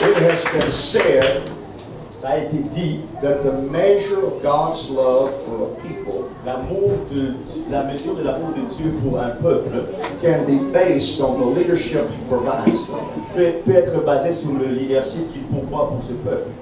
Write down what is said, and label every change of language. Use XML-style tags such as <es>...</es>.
<en>Said that the measure of God's love for a people,</en> <fr>la mesure de l'amour de Dieu pour un peuple,</fr> <en>can be based on the leadership He provides them.</en> <fr>Peut être basé sur le leadership qu'il pourvoit pour ce peuple.</fr>